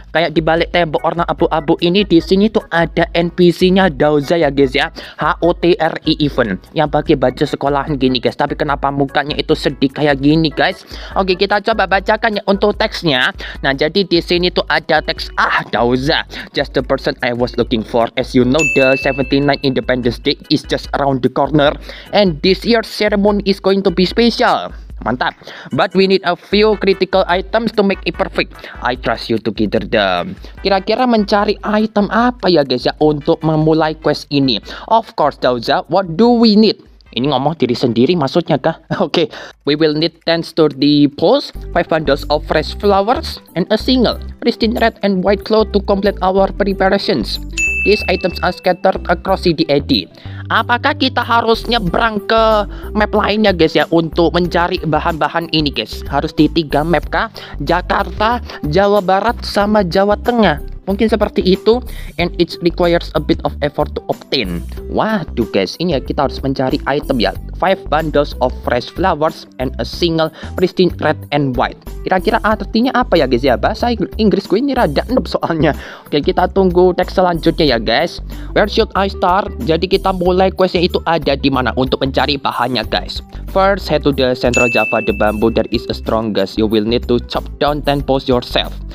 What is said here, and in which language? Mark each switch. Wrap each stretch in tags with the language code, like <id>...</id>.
<id>Kayak di balik tembok warna abu-abu ini di sini tuh ada NPC-nya Dauza ya guys ya. HUTRI event yang pakai baju sekolahan gini guys. Tapi kenapa mukanya itu sedih kayak gini guys? Oke, kita coba bacakannya untuk teksnya. Nah, jadi di sini tuh ada teks Dauza,</id> <en>just the person I was looking for. As you know, the 79 Independence Day is just around the corner and this year's ceremony is going to be special. Mantap. But we need a few critical items to make it perfect. I trust you to gather them.</en> <id>Kira-kira mencari item apa ya guys ya untuk memulai quest ini?</id> <en>Of course Dauza, what do we need?</en> <id>Ini ngomong diri sendiri maksudnya kah?</id> <en>Oke, okay. We will need 10 sturdy poles, 5 bundles of fresh flowers, and a single pristine red and white cloth to complete our preparations. These items are scattered across CDAD.</en> <id>Apakah kita harus nyebrang ke map lainnya guys ya untuk mencari bahan-bahan ini guys? Harus di 3 map kah? Jakarta, Jawa Barat, sama Jawa Tengah. Mungkin seperti itu.</id> <en>And it requires a bit of effort to obtain.</en> <id>Waduh guys, ini ya kita harus mencari item ya.</id> <en>5 bundles of fresh flowers and a single pristine red and white.</en> <id>Kira-kira artinya apa ya guys ya? Bahasa Inggris gue ini rada noob soalnya. Oke, kita tunggu teks selanjutnya ya guys.</id> <en>Where should I start?</en> <id>Jadi kita mulai questnya itu ada di mana untuk mencari bahannya guys.</id> <en>First, head to the Central Java, the bamboo that is strongest. You will need to chop down 10 poles yourself.</en>